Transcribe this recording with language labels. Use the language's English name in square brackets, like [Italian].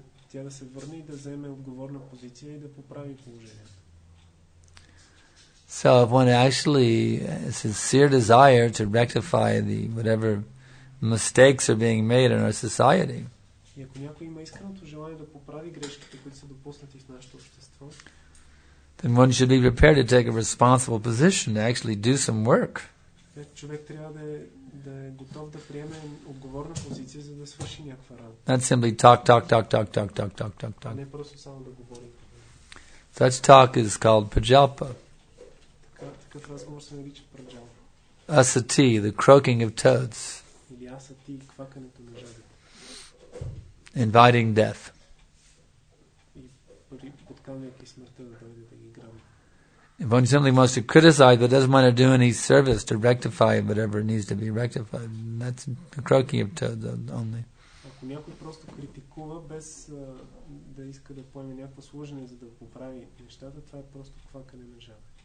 [Bulgarian] Тя да се върне и да вземе отговорна позиция и да поправи положението. [English] So if one actually has a sincere desire to rectify the whatever mistakes are being made in our society. [Bulgarian] И ако някой има искреното желание да поправи грешките, които са допуснати в нашето общество, [English] then one should be prepared to take a responsible position, to actually do some work. [Bulgarian] Човек трябва да е готов да приеме отговорна позиция, за да свърши някаква работа. [English] Not simply talk. [Bulgarian] Не просто само да говори. [English] Such talk is called prajalpa. [Bulgarian] Такъв разговор се нарича праджалпа. [English] Asati, the croaking of toads. [Bulgarian] Или asati, квакането на жабите. [English] Inviting death. [Bulgarian] И подканвайки смъртта да дойде да ги грабне. [English] If one simply wants to criticize but doesn't want to do any service to rectify whatever needs to be rectified, that's the croaking of toads only. [Bulgarian] Ако някой просто критикува без да иска да поеме някакво служение, за да поправи нещата, това е просто квакане на жаба.